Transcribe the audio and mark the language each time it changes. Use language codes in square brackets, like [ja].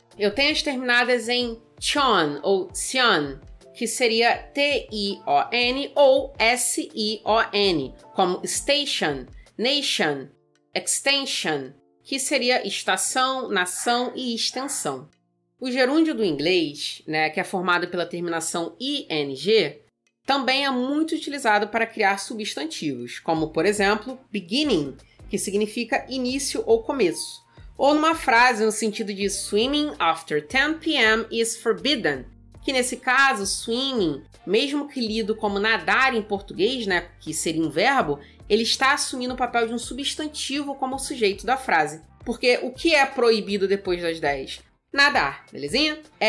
[pt] Eu tenho as terminadas em chon ou sion, que seria T-I-O-N ou S-I-O-N, como station, nation, extension, que seria estação, nação e extensão. O gerúndio do inglês, né, que é formado pela terminação ing, também é muito utilizado para criar substantivos, como, por exemplo, beginning, que significa início ou começo. Ou numa frase no sentido de [en] swimming after 10 p.m. is forbidden, [pt] que nesse caso, swimming, mesmo que lido como nadar em português, né, que seria um verbo, ele está assumindo o papel de um substantivo como sujeito da frase. Porque o que é proibido depois das 10? Nadar, belezinha?